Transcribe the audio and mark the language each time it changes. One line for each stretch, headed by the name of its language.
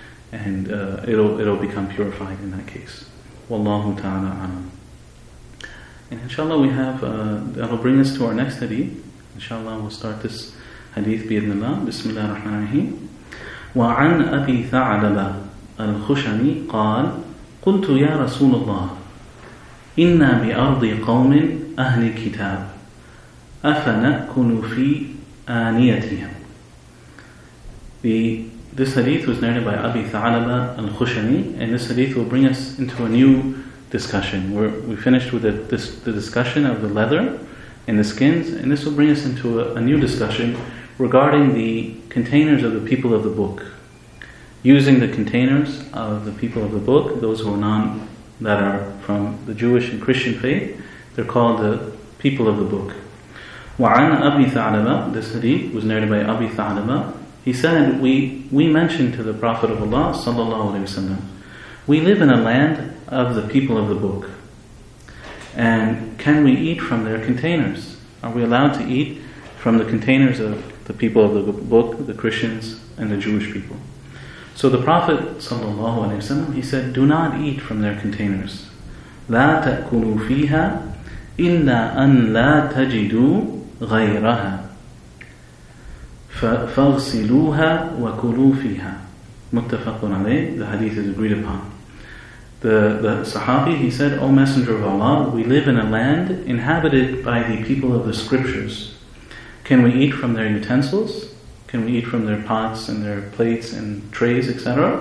English: And it'll become purified in that case. Wallahu ta'ala a'lam. And inshallah we have, that'll bring us to our next hadith. Inshallah we'll start this hadith bi'idhnillah. Bismillah ar-Rahman ar-Rahim.
Arabic: وعن أبي ثعلبة الخشني قال قلت يا رسول الله إنا بأرض قوم أهل كتاب أفنأكل في آنيتهم.
English: This hadith was narrated by Abi Tha'alaba al-Khushani, and this hadith will bring us into a new discussion. We finished with the discussion of the leather and the skins, and this will bring us into a new discussion regarding the containers of the people of the book. Using the containers of the people of the book, those who are non, that are from the Jewish and Christian faith, they're called the people of the book.
Arabic: وَعَنَ أَبِي ثَعْلَبَ.
English: This hadith was narrated by Abi Tha'alaba. He said, we mentioned to the Prophet of Allah sallallahu alaihi wasallam, we live in a land of the people of the book. And can we eat from their containers? Are we allowed to eat from the containers of the people of the book, the Christians and the Jewish people? So the Prophet sallallahu alaihi wasallam, he said, do not eat from their containers.
Arabic: لا تأكلوا فيها إلا أن لا تجدوا غيرها فَغْسِلُوهَا وَكُلُوا فِيهَا. مُتَّفَقٌ عَلَيْهِ.
English: The hadith is agreed upon. The Sahabi, he said, O Messenger of Allah, we live in a land inhabited by the people of the scriptures. Can we eat from their utensils? Can we eat from their pots and their plates and trays, etc.?